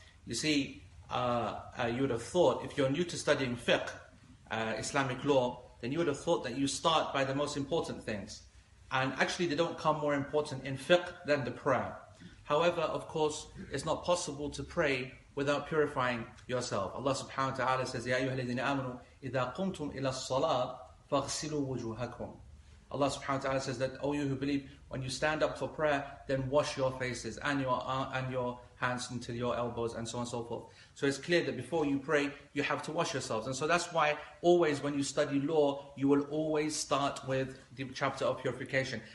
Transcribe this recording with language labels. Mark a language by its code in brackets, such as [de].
[en] You see, you would have thought, if you're new to studying fiqh, Islamic law, then you would have thought that you start by the most important things. And actually, they don't come more important in fiqh than the prayer. However, of course, it's not possible to pray without purifying yourself. [ar] Allah subhanahu wa ta'ala says, يَا أَيُّهَا الَّذِينَ آمَنُوا إِذَا قُمْتُمْ إِلَى الصَّلَاةِ فَاغْسِلُوا وُجُوهَكُمْ. [en] Allah subhanahu wa ta'ala says that, O you who believe, when you stand up for prayer, then wash your faces and your hands until your elbows, and so on and so forth. So it's clear that before you pray, you have to wash yourselves. And so that's why always when you study law, you will always start with the chapter of purification.